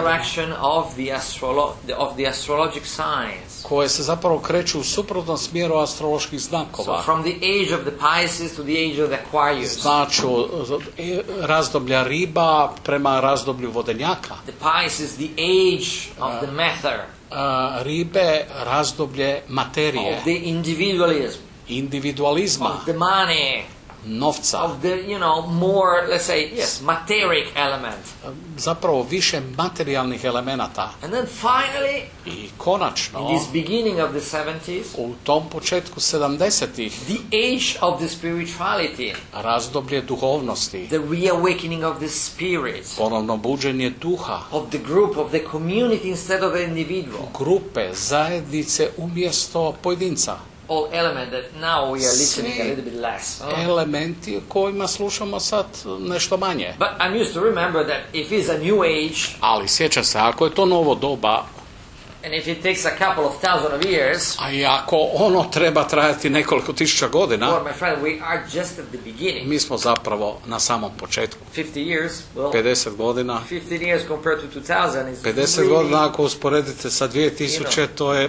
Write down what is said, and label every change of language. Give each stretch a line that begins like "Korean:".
English: direction of the astrologic signs,
Croatian: koje se zapravo kreću u suprotnom smjeru astroloških znakova.
English: So from the age of the Pisces to the age of the Aquarius.
Croatian: Znači, razdoblja riba prema razdoblju vodenjaka.
English: The Pisces, the age of the matter.
Croatian: Ribe, razdoblje materije.
English: Of the individualism.
Croatian: Individualizma,
English: of the money,
Croatian: novca,
English: of the, you know, more, let's say, yes, materic element,
Croatian: zapravo više materijalnih elemenata.
English: And then finally,
Croatian: i konačno,
English: in this beginning of the 70s,
Croatian: u tom početku 70-ih,
English: the age of the spirituality,
Croatian: razdoblje duhovnosti,
English: the reawakening of the spirit,
Croatian: ponovno buđenje duha,
English: of the group, of the community instead of the individual,
Croatian: grupe, zajednice umjesto pojedinca.
English: All element that now we are listening a little bit less.
Croatian: Oh. Elementi kojima slušamo sad nešto manje.
English: But I'm used to remember that if it's a new age.
Croatian: Ali sjećam se, ako je to novo doba.
English: And if it takes a couple of thousand of years.
Croatian: A ako ono treba trajati nekoliko tisuća godina.
English: Well, my friend, we are just at the beginning.
Croatian: Mi smo zapravo na samom početku.
English: 50 years. Well,
Croatian: 50 godina.
English: 15 years compared to 2000 is
Croatian: 50
English: really,
Croatian: godina ako usporedite sa 2000, you know, to je